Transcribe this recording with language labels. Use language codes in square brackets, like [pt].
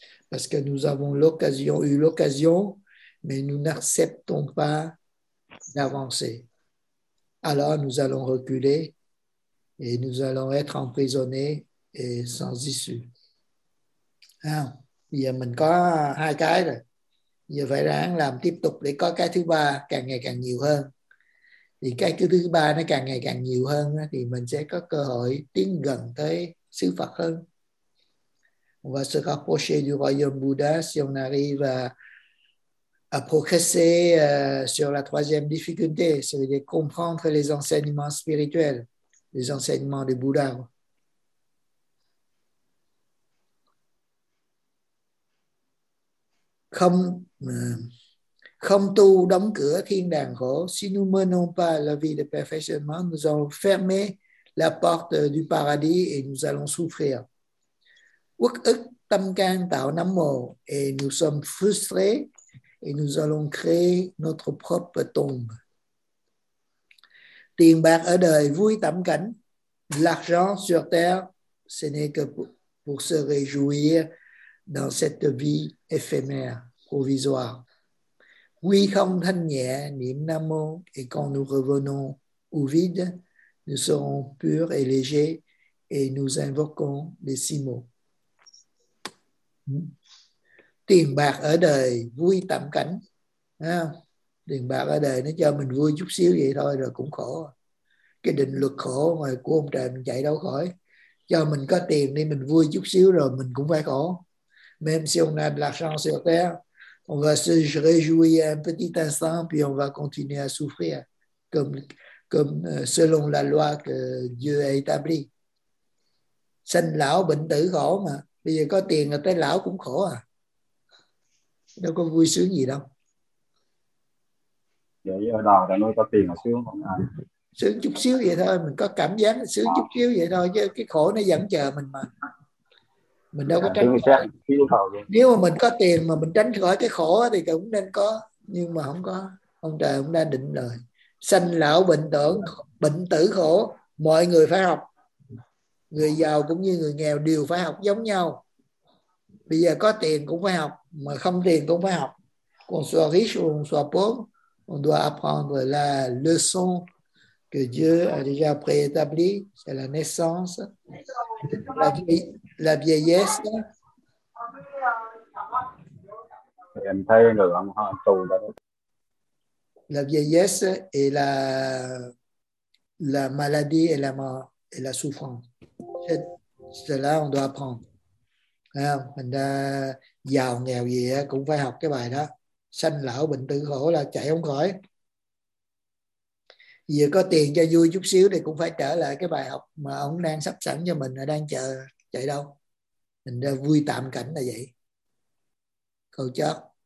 [fr] Parce que nous avons eu l'occasion, mais nous n'acceptons pas d'avancer. Alors, nous allons reculer et nous allons être emprisonnés et sans issue. Il y a encore un cas là. [vi] Giờ phải ráng làm tiếp tục để có cái thứ ba càng ngày càng nhiều hơn. Thì cái thứ ba nó càng ngày càng nhiều hơn thì mình sẽ có cơ hội tiến gần tới sư Phật hơn. [fr] On va se rapprocher du royaume Bouddha si on arrive à progresser sur la troisième difficulté, c'est-à-dire comprendre les enseignements spirituels, les enseignements du Bouddha. [vi] không không tu đóng cửa thiên đàng khổ. [fr] Si nous menons pas la vie de perfectionnement, nous allons fermer la porte du paradis et nous allons souffrir. [vi] Uất ức tâm can tạo nấm mồ, [fr] et nous sommes frustrés et nous allons créer notre propre tombe. [vi] Tiền bạc ở đời vui tẩm cảnh. [fr] L'argent sur terre, ce n'est que pour se réjouir dans cette vie éphémère, provisoire. Oui, [vi] không thanh nhẹ, niệm nam mô, [fr] et quand nous revenons au vide, nous serons purs et légers, et nous invoquons les six mots. [vi] Tiền bạc ở đời, vui tạm cảnh. Tiền bạc ở đời, nó cho mình vui chút xíu vậy thôi, rồi cũng khổ. Cái định luật khổ mà của ông trời mình chạy đâu khỏi. Cho mình có tiền đi, mình vui chút xíu rồi mình cũng phải khổ. [fr] Même si on a de l'argent sur terre, on va se réjouir un petit instant, puis on va continuer à souffrir, comme selon la loi que Dieu a établie. [vi] Sinh lão bệnh tử khổ mà. Bây giờ có tiền rồi tới lão cũng khổ à. Đâu có vui sướng gì đâu. Vậy ở đời là nuôi có tiền là sướng không ạ? Sướng chút xíu vậy thôi, mình có cảm giác sướng chút xíu vậy thôi, chứ cái khổ nó vẫn chờ mình mà. Mình đâu có tránh khỏi. Nếu mà mình có tiền mà mình tránh khỏi cái khổ thì cũng nên có, nhưng mà không có. Ông trời cũng đã định rồi. Sanh lão bệnh tử, bệnh tử khổ, mọi người phải học. Người giàu cũng như người nghèo đều phải học giống nhau. Bây giờ có tiền cũng phải học, mà không tiền cũng phải học. [fr] Qu'on soit riche ou qu'on soit pauvre, on doit apprendre la leçon que Dieu a déjà préétabli, c'est la naissance, la vieillesse. [vi] Em thấy người ông họ tù đó. [fr] La vieillesse et la maladie et la mort et la souffrance. C'est là on doit apprendre. [vi] Mình đã giàu nghèo gì cũng phải học cái bài đó. Sanh lão bệnh tử khổ là chạy không khỏi. Vừa có tiền cho vui chút xíu thì cũng phải trở lại cái bài học mà ông đang sắp sẵn cho mình, đang chờ chạy đâu. Mình đã vui tạm cảnh là vậy. Câu chót.